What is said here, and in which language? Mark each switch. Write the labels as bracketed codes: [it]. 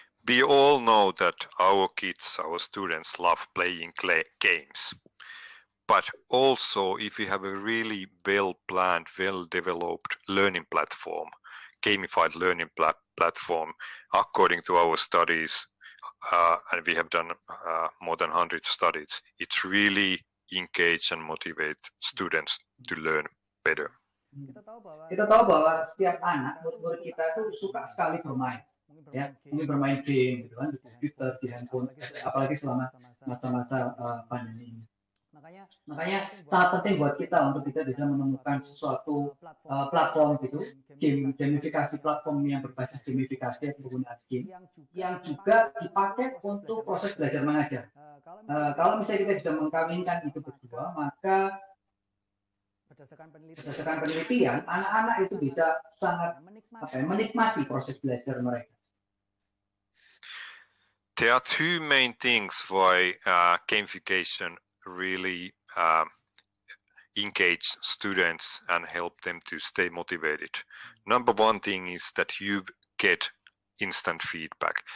[en] We all know that our kids, our students love playing games, but also if we have a really well-planned, well-developed learning platform, gamified learning platform, according to our studies, and we have done more than 100 studies. It really engages and motivates students to learn better. [id] Kita tahu bahwa setiap anak, murid-murid kita itu suka sekali bermain. Ya, mungkin bermain game, gitu kan, di komputer, di handphone, apalagi selama masa-masa pandemi ini. Makanya sangat penting buat kita untuk kita bisa menemukan sesuatu platform gitu, game, gamifikasi platform yang berbasis gamifikasi atau penggunaan game, yang juga dipakai untuk proses belajar mengajar. Kalau misalnya kita bisa mengkawinkan itu berdua, maka berdasarkan penelitian, anak-anak itu bisa sangat menikmati proses belajar mereka. [en] There are two main things why gamification really engage students and help them to stay motivated. Number one thing is that you get instant feedback.